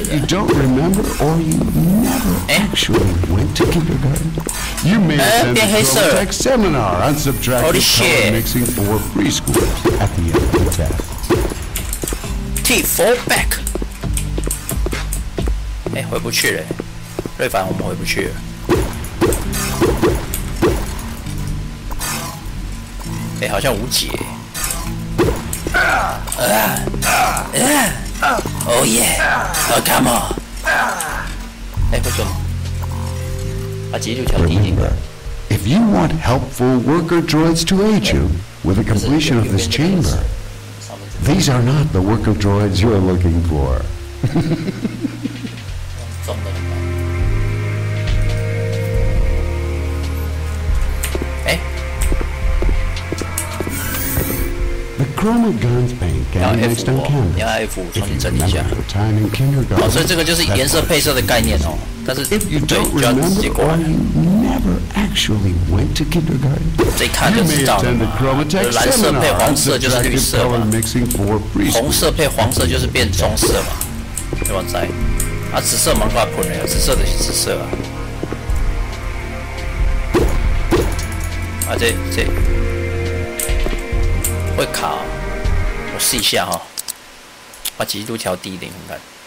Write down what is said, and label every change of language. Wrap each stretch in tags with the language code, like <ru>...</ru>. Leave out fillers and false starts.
<en>If you don't remember, or you never actually went to kindergarten. You may attend the Chromatech seminar on subtractive color mixing for preschool at the end of the test. T, fall back.</en> <zh>哎，回不去了，瑞凡，我们回不去了。哎，好像无解。</zh> <en>Oh yeah, oh come on.</en> <zh>哎，不准。</zh> <en>Remember, if you want helpful worker droids to aid you with the completion of this chamber, these are not the worker droids you are looking for. 欸、 the chroma guns paint can be mixed on canvas. If you remember your time in kindergarten,</en> <zh>所以这个就是颜色配色的概念哦。但是</zh> <en>If you don't remember or you never actually went to kindergarten,</en> <zh>这一看就知道了嘛。蓝色配黄色就是绿色嘛。红色配黄色就是变棕色嘛。对吧？在啊，紫色蛮怪困的，紫色的是紫色啊。啊，这会卡、啊，我试一下哈、哦，把解析度调低一点看看。</zh>